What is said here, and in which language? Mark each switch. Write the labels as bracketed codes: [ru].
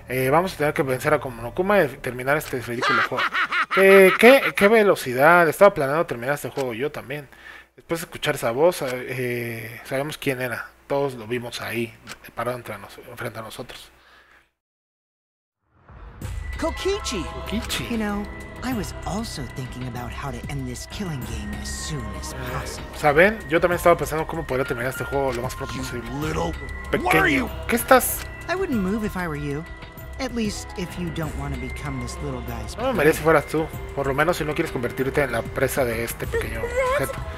[es] Vamos a tener que vencer a Monokuma y terminar este ridículo juego. ¿Qué velocidad? Estaba planeando terminar este juego yo también. Después de escuchar esa voz, sabemos quién era. Todos lo vimos ahí, parado frente a nosotros. Kokichi. Kokichi. [en] You know, I was also thinking about how to end this killing game as soon as possible. [es] ¿Saben? Yo también estaba pensando cómo podría terminar este juego lo más pronto posible. Pequeño. ¿Qué estás? [en] I wouldn't move if I were you. At least if you don't want to become this little guy's prey. [es] No me merece fueras tú. Por lo menos si no quieres convertirte en la presa de este pequeño objeto.